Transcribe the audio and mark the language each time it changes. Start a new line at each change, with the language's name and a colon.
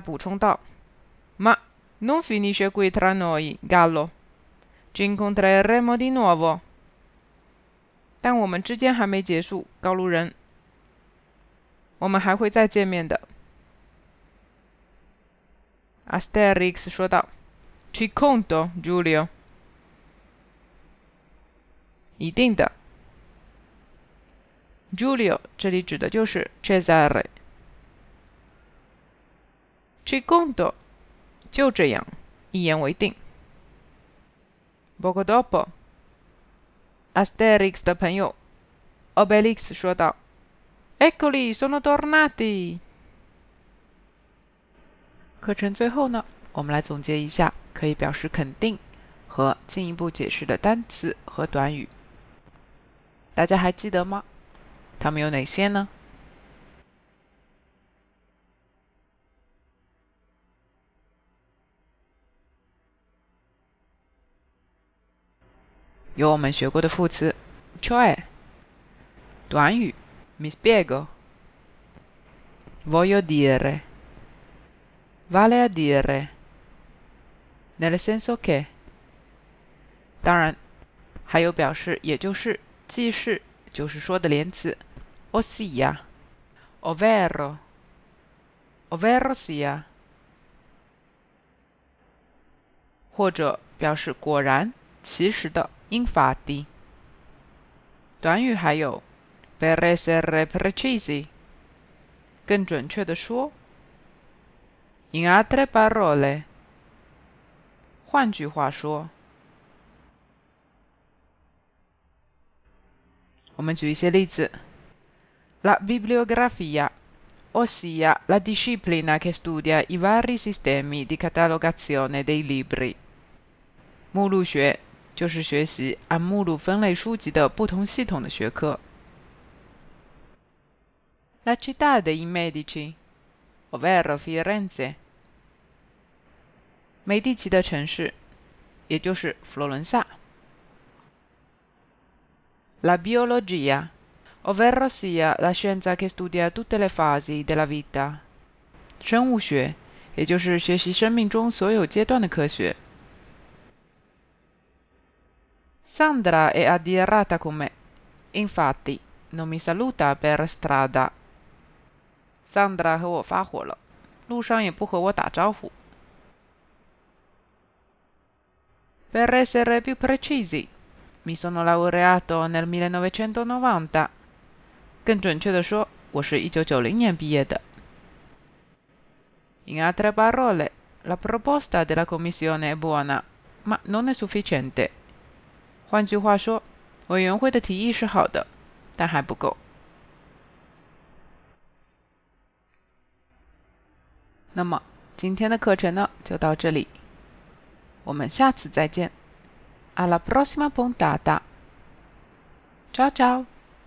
Italian: Caesar
Chinese: 补充道,
Italian: Ma non finisce qui tra noi, Gallo. Ci incontreremo di nuovo.
Chinese: 但我们之间还没结束，高卢人。我们还会再见面的。
Italian: Asterix
Chinese: 说道
Italian: Ci conto, Giulio.
Chinese: 一定的。 Giulio, 这里指的就是 Cesare.
Italian: Ci conto,
Chinese: 就这样。一言为定。
Italian: Poco dopo, Asterix
Chinese: 的朋友 Obelix 说道
Italian: Eccoli, sono tornati!
Chinese: 课程最后呢，我们来总结一下可以表示肯定和进一步解释的单词和短语。大家还记得吗？它们有哪些呢？有我们学过的副词 cioè 短语
Italian: mi spiego voglio dire vale a dire nel senso che
Chinese: 当然还有表示也就是既是就是说的连词 ossia
Italian: ovvero ovvero sia
Chinese: 或者表示果然其实的Infatti, 短语还有
Italian: per essere precisi,
Chinese: 更准确地说
Italian: in altre parole,
Chinese: 换句话说。我们举一些例子
Italian: La bibliografia, ossia la disciplina che studia i vari sistemi di catalogazione dei libri.
Chinese: 目录学就是学习按目录分类书籍的不同系统的学科。
Italian: La città dei Medici, ovvero Firenze.
Chinese: 美第奇的城市，也就是佛罗伦萨。
Italian: La biologia, ovvero sia la scienza che studia tutte le fasi della vita.
Chinese: 生物学，也就是学习生命中所有阶段的科学。
Italian: Sandra è adirata con me, infatti non mi saluta per strada.
Chinese: Sandra 和我发火了，路上也不和我打招呼。
Italian: Per essere più precisi, mi sono laureato nel 1990.
Chinese: 更准确地说，我是1990年毕业的。
Italian: In altre parole, la proposta della commissione è buona, ma non è sufficiente.
Chinese: 换句话说，委员会的提议是好的，但还不够。那么，今天的课程呢，就到这里。我们下次再见。
Italian: Alla prossima puntata. Ciao ciao.